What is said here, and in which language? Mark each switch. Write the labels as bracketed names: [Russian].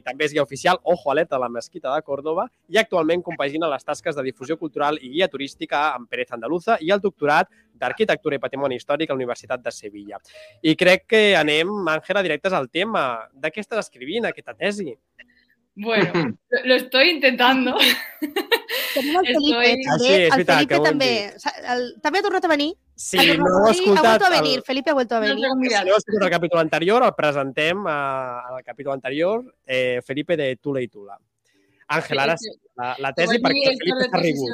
[Catalan] També és guia oficial, [Spanish] ojo [Catalan] alerta, de la Mesquita de Còrdoba i actualment compagina les tasques de difusió cultural i guia turística amb Pérez Andaluza i el doctorat d'Arquitectura i Patrimoni Històric a la Universitat de Sevilla. I crec que anem, Àngela, directes al tema. De què estàs escrivint aquesta tesi? [Spanish] Bueno, lo estoy intentando. [Catalan] El Felipe també ha tornat a venir. Sí, no ho he escoltat. [Spanish] Felipe ha vuelto a venir. [Catalan] No ho he escoltat el capítol anterior, el presentem al capítol anterior, Felipe de Tula i Tula. Àngela, ara sí, la tesi perquè el Felipe està arribant.